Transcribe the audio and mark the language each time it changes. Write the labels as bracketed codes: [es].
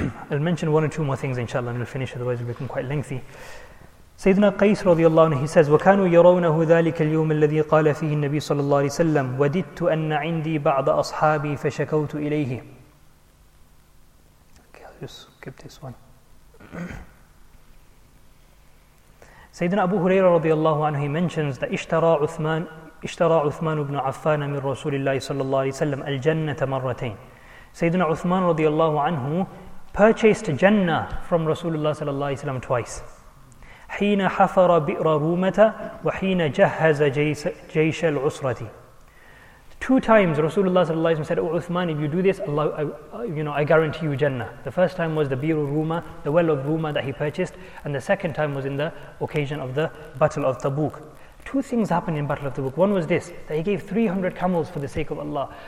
[en] I'll mention one or two more things inshallah and we'll finish, otherwise we'll become quite lengthy. Sayyidina Qais radiallahu anhu, he says, [ar] وَكَانُوا يَرَوْنَهُ ذَلِكَ الْيُومِ الَّذِي قَالَ فِيهِ النَّبِي صَلَى اللَّهِ سَلَّمْ وَدِدْتُ أَنَّ عِنْدِي بَعْضَ أَصْحَابِي فَشَكَوْتُ إِلَيْهِ. [en] Okay, I'll just skip this one. Sayyidina Abu Huraira radiallahu anhu, he mentions that [ar] اشترى عثمان بن عفان من رسول الله صلى الله عليه وسلم الجنة مرتين. سيدنا عثمان رضي الله عنه [en] purchased Jannah from [ar] رسول الله صلى الله عليه وسلم [en] twice. [ar] حين حفر بئر رومة وحين جهز جيش العسرة. [en] Two times [ar] رسول الله صلى الله عليه وسلم [en] said, oh عثمان, if you do this, Allah, I guarantee you Jannah. The first time was the بئر رومة, the well of رومة that he purchased, and the second time was in the occasion of the battle of Tabuk. Two things happened in Battle of Tabuk. One was this, that he gave 300 camels for the sake of Allah.